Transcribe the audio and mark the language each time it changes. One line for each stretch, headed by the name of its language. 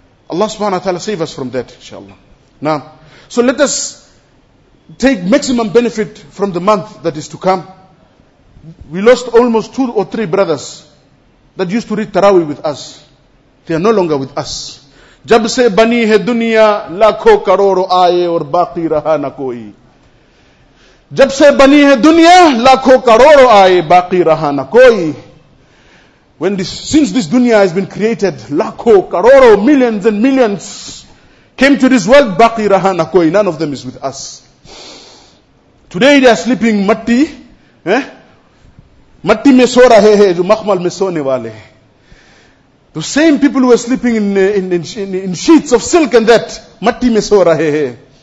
English: Allah subhanahu wa ta'ala save us from that, inshallah. Naam. So let us take maximum benefit from the month that is to come. We lost almost 2 or 3 brothers that used to read Taraweeh with us. They are no longer with us.
Urdu: جب سے بنی ہے دنیا لاکھوں کروڑوں آئے اور باقی رہا نہ کوئی. جب سے بنی ہے دنیا لاکھوں کروڑوں آئے باقی رہا نہ کوئی.
English: Since this dunya has been created,
Urdu: lakho, karoro,
English: millions and millions came to this world,
Urdu: baqi raha na koi.
English: None of them is with us. Today they are sleeping matti.
Urdu: Matti mein so rahe hai, jo makhmal mein sone wale.
English: The same people who are sleeping in sheets of silk and that,
Urdu: matti mein so rahe hai.